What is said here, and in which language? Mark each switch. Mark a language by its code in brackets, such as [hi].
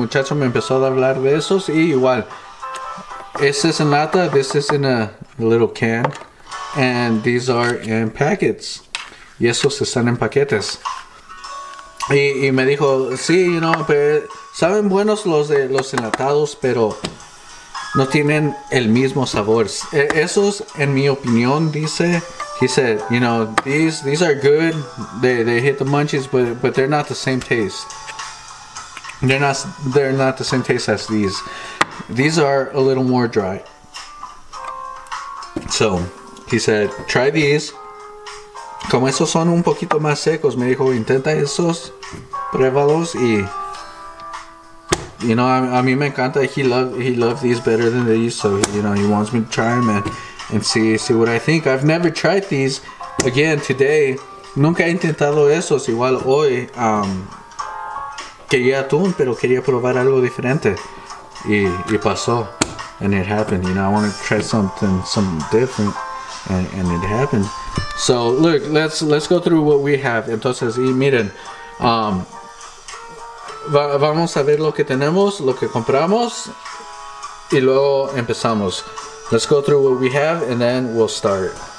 [es] El muchacho me empezó a hablar de esos y igual. Este es en lata, [en] this is in a little can, and these are in packets. [es] Y esos están en paquetes. Y me dijo, sí, [en] you know, [es] pero saben buenos los de los enlatados, pero no tienen el mismo sabor. Esos, en mi opinión, dice. [en] He said, you know, these are good. They hit the munchies, but they're not the same taste. They're not the same taste as these. These are a little more dry. So, he said, try these. [es] Como esos son un poquito más secos, me dijo, intenta esos, pruébalos y, [en] you know, [es] a mí me encanta. [en] He loved these better than these, so you know, he wants me to try them. And see what I think. I've never tried these again today. [es] Nunca he intentado esos. Igual hoy quería atún, pero quería probar algo diferente. Y pasó. [en] And it happened. You know, I want to try something different. And it happened. So look, let's go through what we have. [es] Entonces, y miren, vamos a ver lo que tenemos, lo que compramos, y luego empezamos. [en] Let's go through what we have and then we'll start.